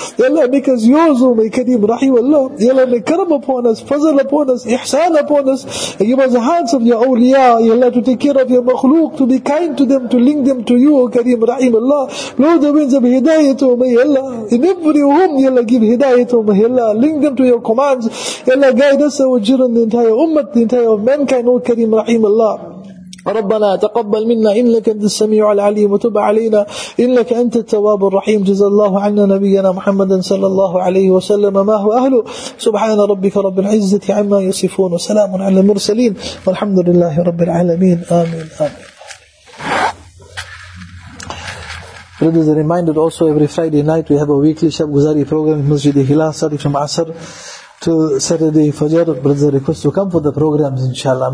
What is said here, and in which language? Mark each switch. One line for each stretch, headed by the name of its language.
English: Ya Allah, make us yours, O my Kareem, Rahim Allah. Ya Allah, make karam upon us, fazal upon us, ihsan upon us. And give us the hands of your awliya, Ya Allah, to take care of your makhluk, to be kind to them, to link them to you, O Kareem, Rahim Allah. Blow the winds of hidayat, O my Allah. In every womb, Ya Allah, give hidayat, O my Allah. Link them to your commands. Ya Allah, guide us, O jiran, the entire ummah, the entire of mankind, O Kareem, Rahim Allah.
Arabic: ربنا تقبل منا إنك أنت السميع العليم وتب علينا إنك أنت التواب الرحيم جزا الله عنا نبينا محمد صلى الله عليه وسلم ما هو أهله سبحان ربك رب العزة عما يصفون وسلام على المرسلين والحمد لله رب العالمين آمين آمين.
English: It is a reminder also every Friday night we have a weekly Shab Guzari program in Masjid Hilal starting from Asr to Saturday Fajr. Brothers, request to come for the programs, inshallah.